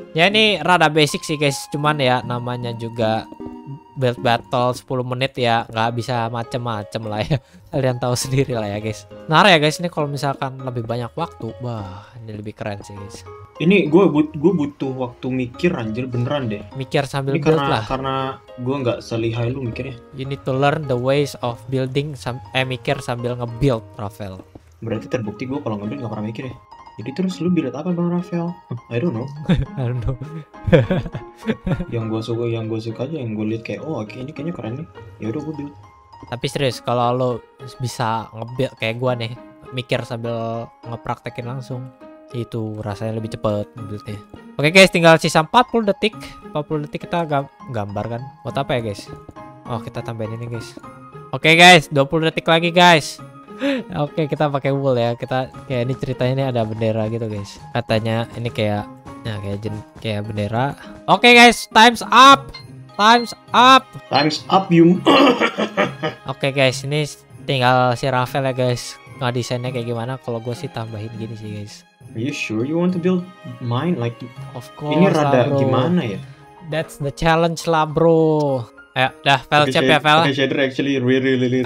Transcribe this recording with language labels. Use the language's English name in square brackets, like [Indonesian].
[Indonesian] Ya ini rada basic sih guys, cuman ya namanya juga build battle 10 menit ya, nggak bisa macem-macem lah ya. Kalian tahu sendiri lah ya guys. Nah ya guys, ini kalau misalkan lebih banyak waktu, wah ini lebih keren sih guys. Ini gue butuh waktu mikir anjir, beneran deh. Mikir sambil build lah. Karena gue nggak selihai lu mikirnya. [English] You need to learn the ways of building, [Indonesian] mikir sambil nge-build, [English] Rafael. [Indonesian] Berarti terbukti gue kalau nge-build nggak pernah mikir ya. Jadi terus lu bilang apa bang Rafael? [English] I don't know. [Indonesian] yang gue suka aja yang gue lihat kayak oh oke ini kayaknya keren nih. Ya udah gue build. Tapi serius kalau lu bisa ngebuild kayak gue nih, mikir sambil ngepraktekin langsung, itu rasanya lebih cepet buildnya. Oke guys, tinggal sisa 40 detik. 40 detik kita gambar kan. Buat apa ya guys? Oh kita tambahin ini guys. Oke okay, guys, 20 detik lagi guys. Oke okay, kita pakai wool ya. Kita kayak ini ceritanya ini ada bendera gitu guys. Katanya ini kayak ya kayak kayak bendera. [English] Oke okay, guys, time's up. Time's up. Time's up you. [Indonesian] Oke okay, guys, ini tinggal si Rafael ya guys. Nggak desainnya kayak gimana? Kalau gue sih tambahin gini sih guys. [English] Are you sure you want to build mine like? Of course. [Indonesian] Ini rada bro. Gimana ya? [English] That's the challenge [Indonesian] lah bro. Ayo, dah, file okay, siap ya, file. [English] Okay, shader actually really